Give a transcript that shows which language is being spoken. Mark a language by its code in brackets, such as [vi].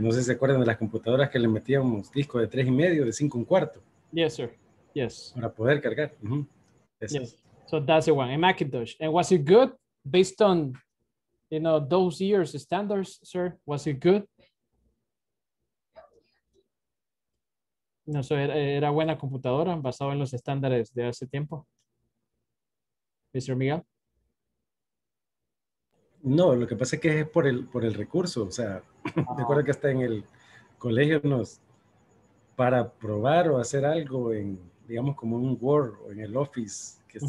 [es] No sé si se acuerdan de las computadoras que le metíamos disco de tres y medio, de cinco, un cuarto. [en] Yes, sir. Yes. [es] Para poder cargar. Uh-huh. [en] Yes. So that's the one, a Macintosh. And was it good based on, you know, those years' standards, sir? Was it good? [es] No sé, ¿era buena computadora basado en los estándares de hace tiempo? [en] Mr. Miguel. [es] No, lo que pasa es que es por el recurso. O sea, de acuerdo que hasta en el colegio nos, para probar o hacer algo en, digamos, como un Word o en el Office que uh-huh.